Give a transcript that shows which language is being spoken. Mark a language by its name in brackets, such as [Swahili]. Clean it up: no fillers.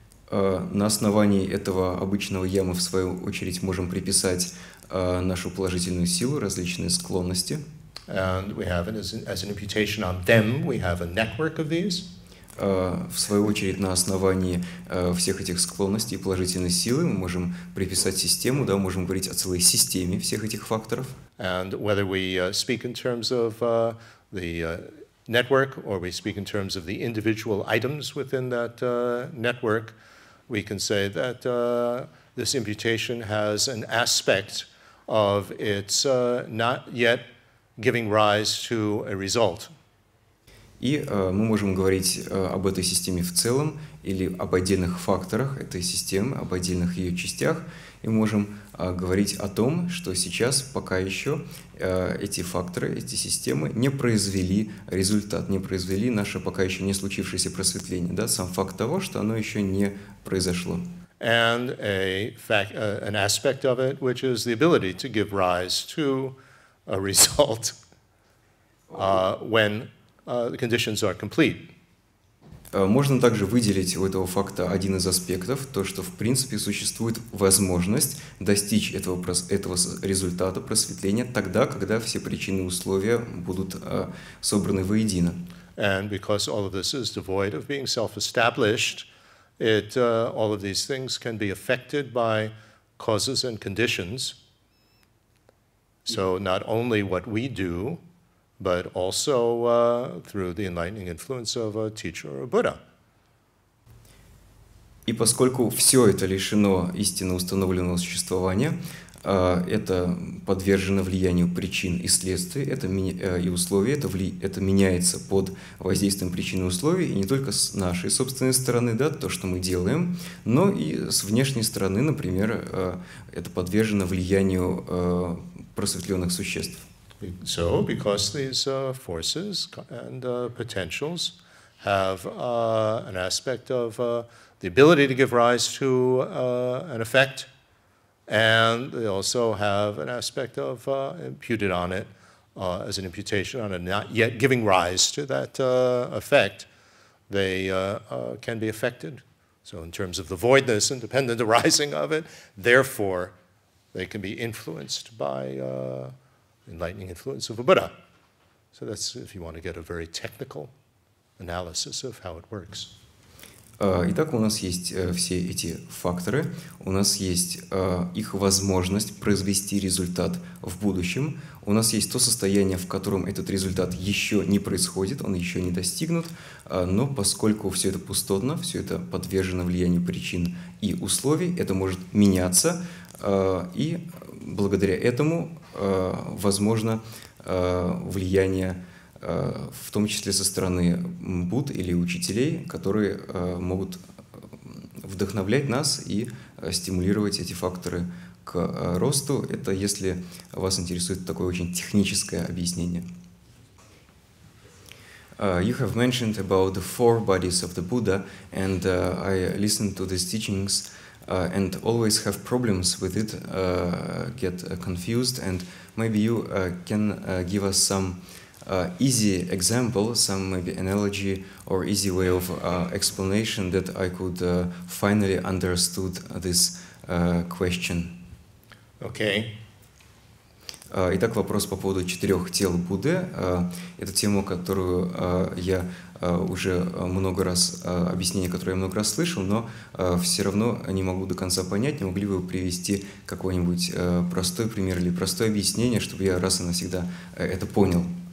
[Russian] На основании этого обычного «я» мы, в свою очередь, можем приписать нашу положительную силу, различные склонности. [English] And we have it as an imputation on them, we have a network of these. [Russian] В свою очередь, на основании всех этих склонностей и положительной силы мы можем приписать систему, да, можем говорить о целой системе всех этих факторов. [English] And whether we speak in terms of the network or we speak in terms of the individual items within that network, we can say that this imputation has an aspect of its not yet giving rise to a result. [Russian] И мы можем говорить об этой системе в целом или об отдельных факторах этой системы, об отдельных ее частях, и можем говорить о том, что сейчас пока еще эти факторы, эти системы не произвели результат, не произвели наше пока еще не случившееся просветление, да, сам факт того, что оно еще не произошло. [English] And an aspect of it, which is the ability to give rise to a result when the conditions are complete. [Russian] Можно также выделить у этого факта один из аспектов, то, что в принципе существует возможность достичь этого результата просветления тогда, когда все причины и условия будут собраны воедино. [English] And because all of this is devoid of being self-established, all of these things can be affected by causes and conditions. So not only what we do, but also through the enlightening influence of a teacher or a Buddha. И поскольку все это лишено истинно установленного существования, это подвержено влиянию причин и следствий, и условий, это меняется под воздействием причин и условий, и не только с нашей собственной стороны, да, то, что мы делаем, но и с внешней стороны, например, это подвержено влиянию просветленных существ. So, because these forces and potentials have an aspect of the ability to give rise to an effect, and they also have an aspect of imputed on it as an imputation on it not yet giving rise to that effect, they can be affected. So, in terms of the voidness and dependent arising of it, therefore, they can be influenced by enlightening influence of a Buddha. So that's if you want to get a very technical analysis of how it works. [Russian] Итак, у нас есть все эти факторы. У нас есть их возможность произвести результат в будущем. У нас есть то состояние, в котором этот результат еще не происходит, он еще не достигнут. Но поскольку все это пустотно, все это подвержено влиянию причин и условий, это может меняться. И благодаря этому возможно влияние, в том числе со стороны Будд или учителей, которые могут вдохновлять нас и стимулировать эти факторы к росту. Это если вас интересует такое очень техническое объяснение. [English] You have mentioned about the four bodies of the Buddha, and I listened to these teachings and always have problems with it, get confused, and maybe you can give us some easy example, some maybe analogy or easy way of explanation that I could finally understood this question. Okay. [Russian] Итак, вопрос по поводу четырех тел Будды. Это тема, которую я уже много раз, объяснение, которое я много раз слышал, но все равно не могу до конца понять. Не могли бы вы привести какой-нибудь простой пример или простое объяснение, чтобы я раз и навсегда это понял?